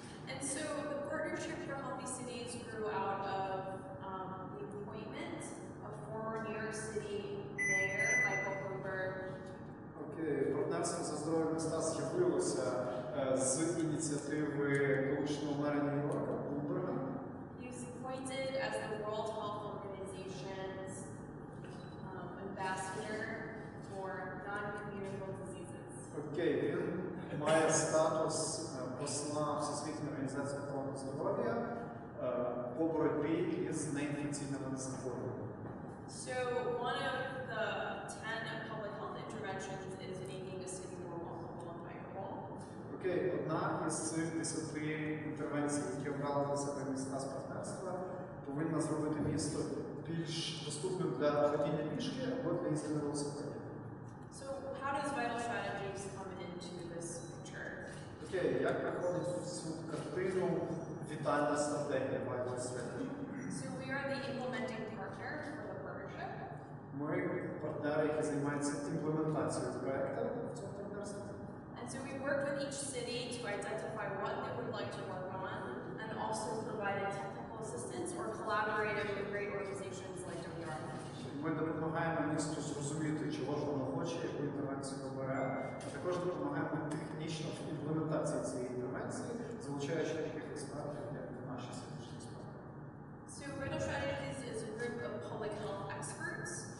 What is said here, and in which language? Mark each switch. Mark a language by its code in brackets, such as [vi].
[en] And so the Partnership for Healthy Cities grew out of the appointment of former New York City Mayor Michael Bloomberg. [uk] Партнерство за здоров'я міста з'явилося з ініціативи колишнього мера Нью-Йорка Бумберга. [en] He was appointed as the World Health Organization's ambassador for non-communicable diseases. [uk] Окей, він має статус посла Всесвітньої організації охорони здоров'я по боротьбі із неінфекційними захворюваннями. [en] So one of the 10 public health interventions is making a city more walkable and bikeable. [uk] Okay, одна із цих 10 інтервенцій, які обрали для себе міста з партнерства, повинна зробити місто більш доступним для ходіння пішки або для їзди на велосипеді. [en] So how does Vital Strategies come into this picture? [uk] Okay, як проходить цю картину вітальна стратегія Vital Strategy? [en] So we are the implementing partner. [uk] Ми партнери, які займаються імплементацією проєкту в цьому партнерстві. [en] And so we work with each city to identify what they would like to work on and also provide technical assistance or collaborative with great organizations like WRM. [uk] Ми допомагаємо місту зрозуміти, чого ж воно хоче, яку інтервенцію обере, а також допомагаємо технічно в імплементації цієї інтервенції, залучаючи таких експертів, як наші сьогоднішні експерти. [en] So Vital Strategies is a group of public health experts.